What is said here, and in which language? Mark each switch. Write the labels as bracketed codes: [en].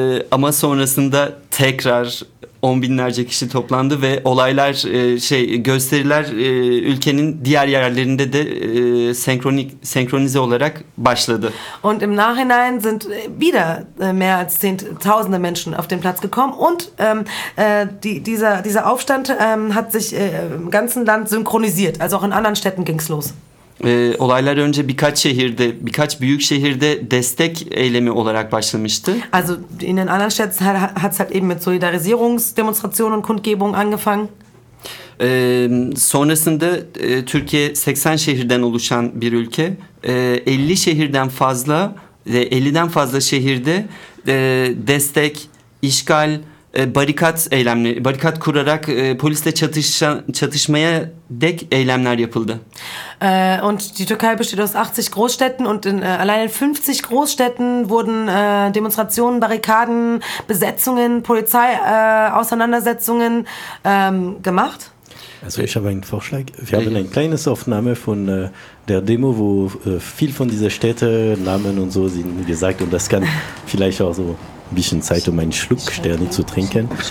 [tr] Ama sonrasında tekrar on binlerce kişi toplandı ve olaylar gösteriler ülkenin diğer yerlerinde de senkronize olarak başladı. [de] Und im Nachhinein sind wieder mehr als zehntausende Menschen auf den Platz gekommen und dieser Aufstand hat sich im ganzen Land synchronisiert, also auch in anderen Städten ging's los. [tr] Olaylar önce birkaç şehirde, birkaç büyük şehirde destek eylemi olarak başlamıştı. [de] Also in den anderen Städten hat es halt eben mit Solidarisierungsdemonstrationen und Kundgebungen angefangen. [tr] Sonrasında Türkiye 80 şehirden oluşan bir ülke. 50 şehirden fazla ve 50'den fazla şehirde destek, işgal, barikat eylemleri, barikat kurarak polisle çatışmaya dek eylemler yapıldı. [de] Und die Türkei besteht aus 80 Großstädten und allein in 50 Großstädten wurden Demonstrationen, Barrikaden, Besetzungen, Polizeiauseinandersetzungen gemacht. Also ich habe einen Vorschlag. Wir haben eine kleine Aufnahme von der Demo, wo viel von dieser Städte, Namen und so sind gesagt und das kann vielleicht auch so ein bisschen Zeit, um einen Schluck Sterne zu trinken.